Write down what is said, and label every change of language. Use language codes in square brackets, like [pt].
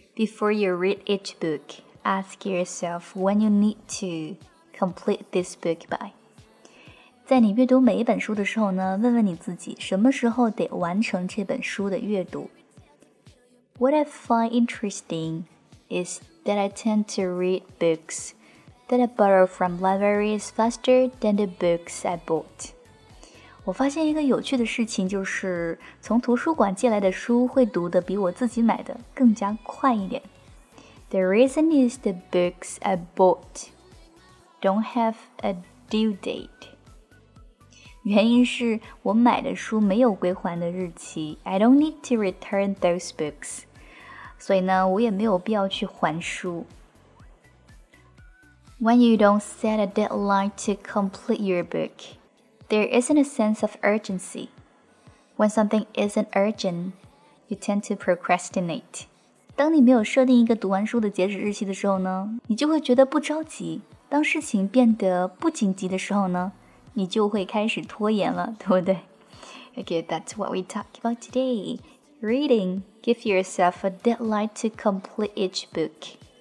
[en] Before you read each book， ask yourself when you need to complete this book by。 [zh] 在你阅读每一本书的时候呢，问问你自己什么时候得完成这本书的阅读。 [en] What I find interesting is that I tend to read books that I borrow from libraries faster than the books I bought. [zh] 我发现一个有趣的事情，就是从图书馆借来的书会读得比我自己买的更加快一点。 [en] The reason is the books I bought don't have a due date. [zh] 原因是我买的书没有归还的日期。 [en] I don't need to return those books. [zh] 所以呢，我也没有必要去还书。 [en] When you don't set a deadline to complete your book, there isn't a sense of urgency. When something isn't urgent, you tend to procrastinate. [zh] 当你没有设定一个读完书的截止日期的时候呢，你就会觉得不着急。当事情变得不紧急的时候呢，你就会开始拖延了，对不对？ [en] Okay, that's what we talk about today. Reading, give yourself a deadline to complete each book.